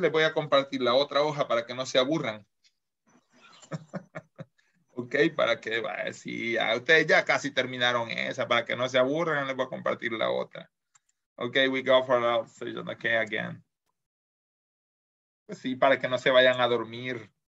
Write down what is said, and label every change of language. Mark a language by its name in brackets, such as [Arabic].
[Spanish] Les voy a compartir la otra hoja para que no se aburran. Ok, para que, vaya, sí, ya, ustedes ya casi terminaron esa, para que no se aburran, les voy a compartir la otra. [English] Ok, we go for our session, ok, again. [Spanish] Sí, para que no se vayan a dormir.